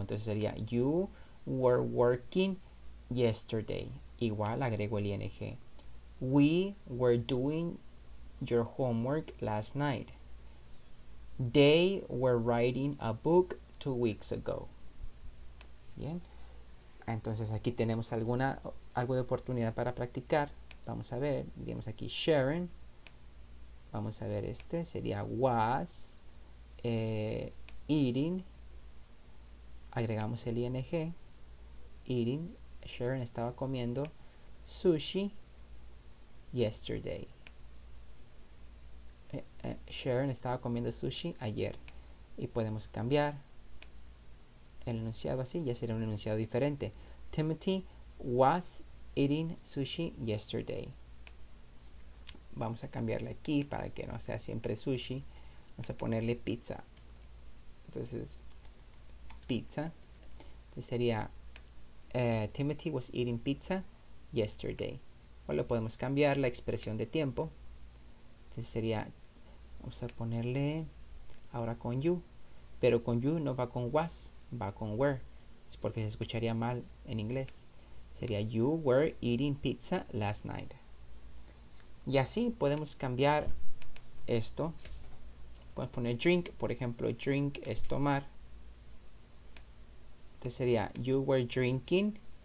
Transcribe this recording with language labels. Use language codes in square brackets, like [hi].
[es] Entonces sería [en] you were working yesterday. [es] Igual agrego el ing. [en] We were doing your homework last night. They were writing a book 2 weeks ago. [es] Bien. Entonces aquí tenemos algo de oportunidad para practicar. Vamos a ver. Diríamos aquí Sharon. Vamos a ver, este sería [en] was eating. [es] Agregamos el ing. Eating. Sharon estaba comiendo sushi yesterday. Sharon estaba comiendo sushi ayer. Y podemos cambiar el enunciado así, ya sería un enunciado diferente. [en] Timothy was eating sushi yesterday. [es] Vamos a cambiarle aquí para que no sea siempre sushi. Vamos a ponerle pizza. Entonces, pizza. Entonces sería, [en] Timothy was eating pizza yesterday. [es] O lo podemos cambiar la expresión de tiempo. Entonces sería, vamos a ponerle ahora con you. Pero con you no va con was, va con were. Es porque se escucharía mal en inglés. Sería, [en] you were eating pizza last night. [es] Y así podemos cambiar esto. Podemos poner drink, por ejemplo, drink es tomar. Entonces sería, [en] you were drinking.